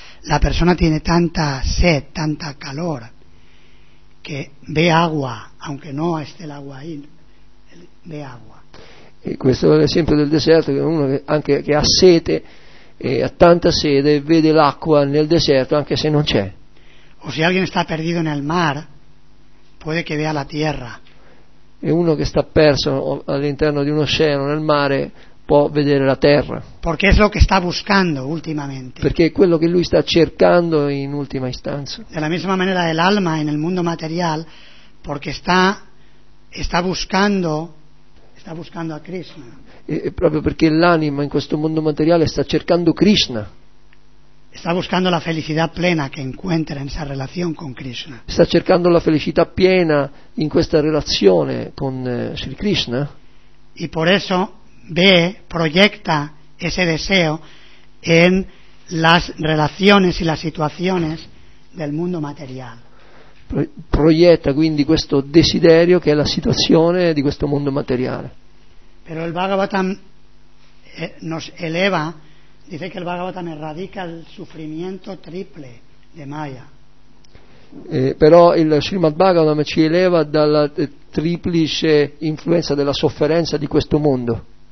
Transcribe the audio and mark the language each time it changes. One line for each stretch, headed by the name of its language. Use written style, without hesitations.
Spanish: La persona tiene tanta sed, tanta calor, que ve agua, aunque no esté el agua ahí, ve agua.
Italian: E questo è l'esempio del deserto, che uno che ha sete e ha tanta sede vede l'acqua nel deserto anche se non c'è.
Spanish: O si alguien está perdido en el mar, puede que vea la tierra.
Italian: E uno che sta perso all'interno di un oceano, nel mare, può vedere la terra.
Spanish: Porque es lo que está buscando últimamente.
Italian: Perché è quello che lui sta cercando in ultima istanza.
Spanish: De la misma manera el alma en el mundo material, porque está buscando a Krishna.
Italian: E proprio perché l'anima in questo mondo materiale sta cercando Krishna.
Spanish: Está buscando la felicidad plena que encuentra en esa relación con Krishna.
Italian: Sta cercando la felicità piena in questa relazione con Sri Krishna.
Spanish: Y por eso ve, proyecta ese deseo en las relaciones y las situaciones del mundo material. Proyecta
Italian: quindi questo desiderio che è la situazione di questo mundo materiale.
Spanish: Pero el Bhagavatam nos eleva. Dice que el Bhagavatam erradica el sufrimiento triple de Maya.
Italian: Però il Srimad Bhagavatam ci eleva dalla triplice influenza della sofferenza di questo mondo.